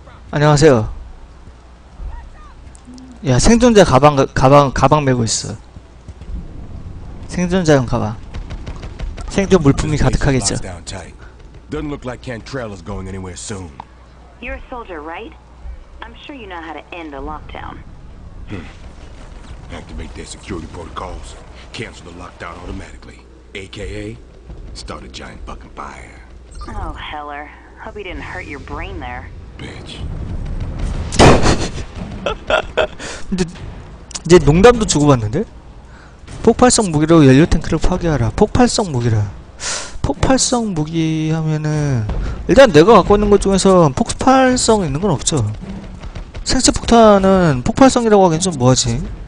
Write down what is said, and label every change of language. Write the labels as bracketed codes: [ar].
[ko] 안녕하세요. 야, 생존자 가방 메고 있어. 생존자용 가방. 생존 물품이 가득하겠죠. [en] Doesn't look like Cantrell is going anywhere soon. You're a soldier, right? I'm sure you know how to end a lockdown. Activate their security protocols. Cancel the lockdown automatically. AKA, start a giant fucking fire. Oh, Heller. Hope you didn't hurt your brain there. Bitch. [ko] 근데 이제 농담도 주고받는데? 폭발성 무기로 연료 탱크를 파괴하라. 폭발성 무기라. 폭발성 무기 하면은 일단 내가 갖고 있는 것 중에서 폭발성 있는 건 없죠. 생체 폭탄은 폭발성이라고 하긴 좀 뭐하지?